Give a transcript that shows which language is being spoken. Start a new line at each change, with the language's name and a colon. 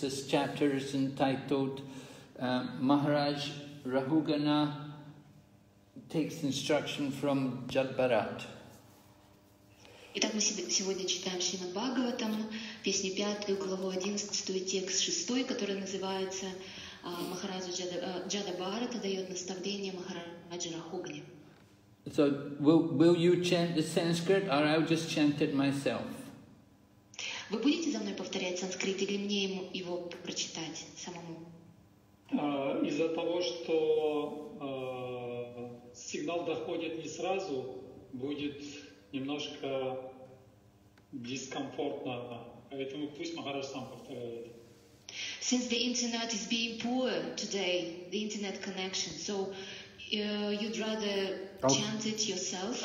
English: This chapter is entitled Maharaj Rahugana Takes Instruction from Jadbharat.
Russian: Итак, мы сегодня читаем Шримад Бхагаватам, песню 5, главу 11, текст 6, который называется Махараджа Джадабхарата дает наставление Махараджа Рахугане.
English: So, will you chant the Sanskrit or I'll just chant it myself?
Russian: Вы будете за мной повторять санскрит или мне его прочитать самому? Из-за того, что сигнал доходит не сразу, будет немножко дискомфортно, поэтому пусть Махарадж сам повторяет.
English: Since the internet is being poor today, the internet connection, so you'd rather chant it yourself?